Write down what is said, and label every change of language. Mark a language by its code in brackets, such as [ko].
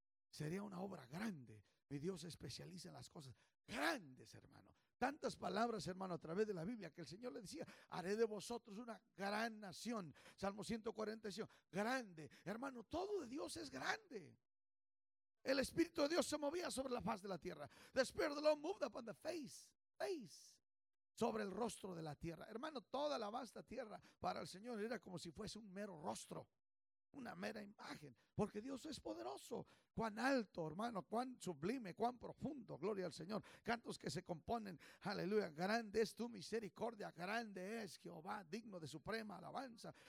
[es] Sería una obra grande. Mi Dios se especializa en las cosas grandes, hermano. Tantas palabras, hermano, a través de la Biblia que el Señor le decía, haré de vosotros una gran nación. Salmo 145, grande. Hermano, todo de Dios es grande. El Espíritu de Dios se movía sobre la faz de la tierra. [en] The Spirit of the Lord moved upon the face. [es] Sobre el rostro de la tierra. Hermano, toda la vasta tierra para el Señor era como si fuese un mero rostro. Una mera imagen, porque Dios es poderoso. Cuán alto, hermano, cuán sublime, cuán profundo, gloria al Señor. Cantos que se componen, aleluya. Grande es tu misericordia, grande es Jehová, digno de suprema alabanza.